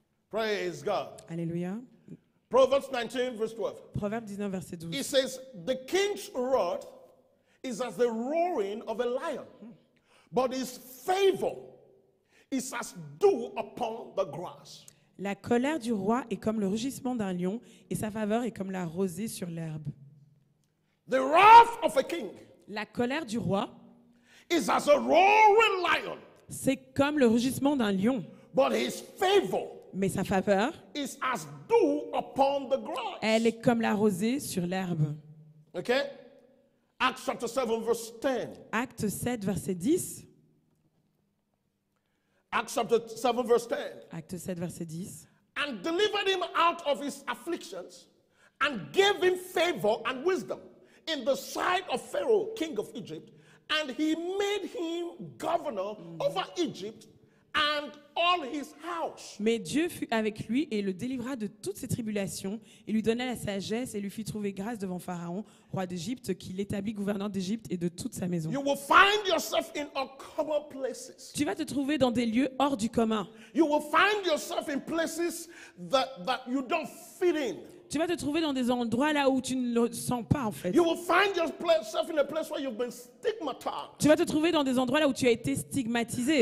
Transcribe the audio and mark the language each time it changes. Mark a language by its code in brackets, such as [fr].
[en] Praise God. [fr] Alléluia. [en] Proverbs 19, verse 12. [fr] Proverbe 19, verset 12. [en] He says, the king's wrath is as the roaring of a lion, but his favor is as dew upon the grass. [fr] La colère du roi est comme le rugissement d'un lion, et sa faveur est comme la rosée sur l'herbe. [en] The wrath of a king. [fr] La colère du roi [en] is as a roaring lion. [fr] C'est comme le rugissement d'un lion. [en] But his favor. [fr] Mais sa faveur [en] is as dew upon the grass. [fr] Elle est comme la rosée sur l'herbe. [en] Okay? Acts chapter 7, verse 10. [fr] Acte 7, verset 10. [en] Acts chapter 7, verse 10. [fr] Acte 7, verset 10. [en] And delivered him out of his afflictions and gave him favor and wisdom in the sight of Pharaoh, king of Egypt, and he made him governor over Egypt and all his house. [fr] Mais Dieu fut avec lui et le délivra de toutes ses tribulations et lui donna la sagesse et lui fit trouver grâce devant Pharaon, roi d'Égypte, qui l'établit gouverneur d'Égypte et de toute sa maison. [en] You will find yourself in uncommon places. [fr] Tu vas te trouver dans des lieux hors du commun. [en] You will find yourself in places that you don't fit in. [fr] Tu vas te trouver dans des endroits là où tu ne le sens pas en fait. [en] You will find yourself in a place where you've been stigmatized. [fr] Tu vas te trouver dans des endroits là où tu as été stigmatisé.